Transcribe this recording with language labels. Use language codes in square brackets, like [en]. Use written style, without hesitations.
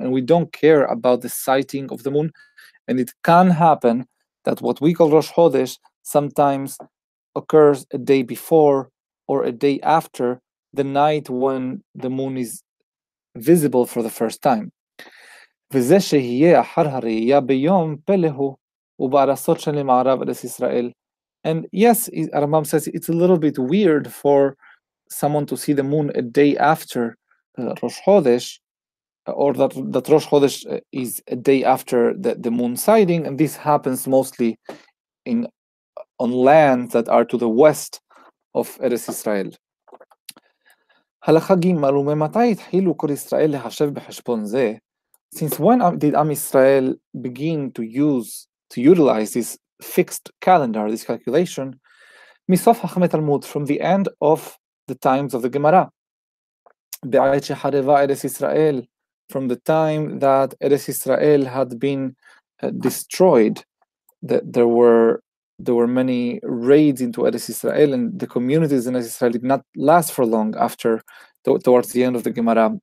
[en] And we don't care about the sighting of the moon. And it can happen that what we call Rosh Chodesh sometimes occurs a day before or a day after the night when the moon is visible for the first time. [he] וזה שיהיה אחר הראייה ביום פלהו ובארצות של מערב ארץ ישראל. [en] And yes, Rambam says it's a little bit weird for someone to see the moon a day after Rosh Chodesh, or that Rosh Chodesh is a day after the moon sighting, and this happens mostly on lands that are to the west of Eretz Yisrael. [he] Halacha Gimel, ומתי התחילו כל ישראל להשב בחשבון זה? [en] Since when did Am Yisrael begin to utilize this fixed calendar, this calculation? [he] מסוף חכמי תלמוד, [en] from the end of the times of the Gemara. [he] בעת שחרבה ארץ ישראל, [en] from the time that Eretz Yisrael had been destroyed, that there were many raids into Eretz Yisrael, and the communities in Eretz Yisrael did not last for long after towards the end of the Gemara.